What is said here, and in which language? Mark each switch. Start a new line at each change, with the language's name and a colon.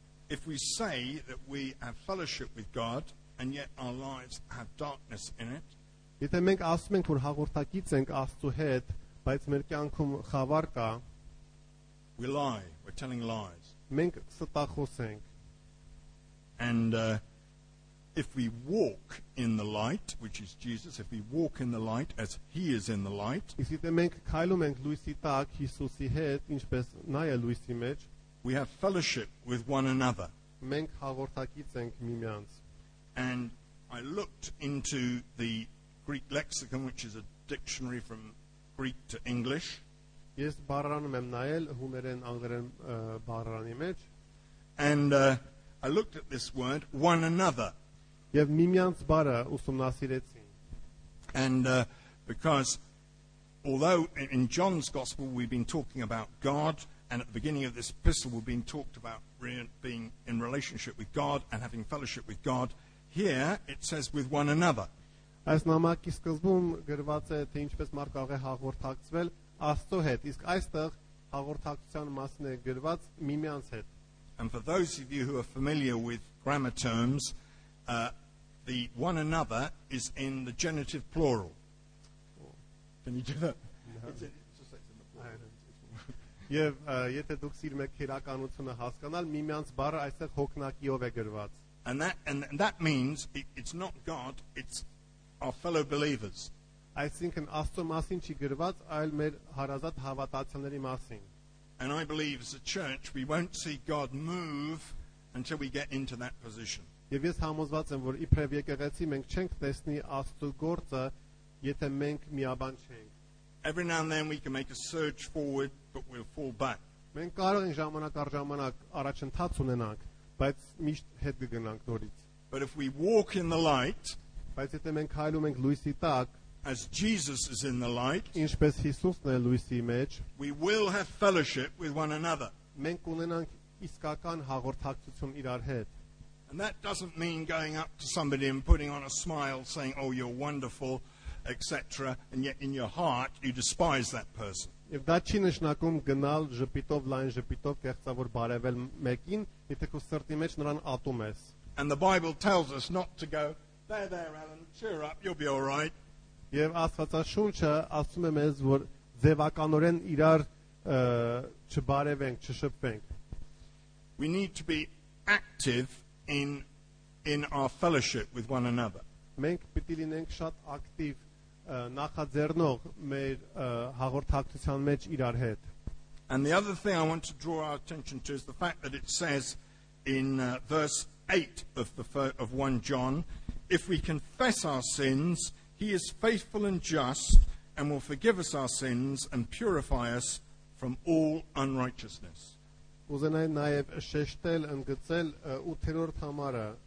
English: If we say that we have fellowship with God and yet our lives have darkness in it,
Armenian: եթե մենք ասում ենք, որ հաղորդակից ենք Աստծո հետ, բայց մեր կյանքում խավար կա,
English: we lie, we're telling lies.
Armenian: Մենք ստախոս ենք.
English: And if we walk in the light, which is Jesus, if we walk in the light as he is in the light,
Armenian: իսկ եթե մենք քայլում ենք լույսի տակ Հիսուսի հետ, ինչպես նա է լույսի մեջ,
English: we have fellowship with one another.
Armenian: Մենք հաղորդակից ենք միմյանց.
English: And I looked into the Greek lexicon, which is a dictionary from Greek to English.
Armenian: Ես բառանում եմ նայել հուներեն անգլերեն բառարանի մեջ.
English: And I looked at this word, one another.
Armenian: Եվ միմյանց բառը ուսումնասիրեցի.
English: And because although in John's gospel we've been talking about God, and at the beginning of this epistle we've been talked about being in relationship with God and having fellowship with God, here it says with one another.
Armenian: Այս նամակի սկզբում գրված է, թե ինչպես մարդ կարող է հաղորդակցվել Աստծո հետ, իսկ այստեղ հաղորդակցության մասին է գրված միմյանց հետ.
English: And for those of you who are familiar with grammar terms, the one another is in the genitive plural. Can you do that?
Armenian: Եվ եթե դուք սիրում եք քերականությունը հասկանալ, միմյանց բառը այստեղ հոգնակիով է գրված.
English: And that means it's not God, it's our fellow believers. I think an
Armenian: Աստծո մասին չի գրված, այլ մեր հարազատ հավատացյալների մասին.
English: And I believe as a church we won't see God move until we get into that position.
Armenian: Եվ ես համոզված եմ, որ իբրև եկեղեցի մենք չենք տեսնի Աստծո գործը, եթե մենք միաբան չենք.
English: Every now and then we can make a surge forward, but we'll fall back.
Armenian: Մենք կարող ենք ժամանակ առ ժամանակ առաջընթաց ունենանք, բայց միշտ հետ կգնանք նորից.
English: But if we walk in the light,
Armenian: բայց եթե մենք հայլում ենք լույսի տակ,
English: as Jesus is in the light,
Armenian: ինչպես Հիսուսն է լույսի մեջ,
English: we will have fellowship with one another.
Armenian: Մենք ունենանք իսկական հաղորդակցություն իրար հետ.
English: And that doesn't mean going up to somebody and putting on a smile, saying, "Oh, you're wonderful," etc., and yet in your heart you despise that person.
Armenian: Եվ դա չի նշանակում գնալ ժպիտով լայն ժպիտով կեղծավոր բարևել մեկին, եթե քո սրտի մեջ նրան ատում ես.
English: And the Bible tells us not to go, there, Alan, cheer up, you'll be all right.
Armenian: Եվ Աստվածաշունչը ասում է մեզ, որ ձևականորեն իրար չբարևենք, չշփվենք.
English: We need to be active in our fellowship with one another.
Armenian: Մենք պիտի լինենք շատ ակտիվ նախաձեռնող մեր հաղորդակցության մեջ իրար հետ.
English: And the other thing I want to draw our attention to is the fact that it says in verse 8 of 1 John, if we confess our sins, he is faithful and just and will forgive us our sins and purify us from all unrighteousness.
Armenian: Ուզենայի նաև շեշտել, ընդգծել 8-րդ համարը,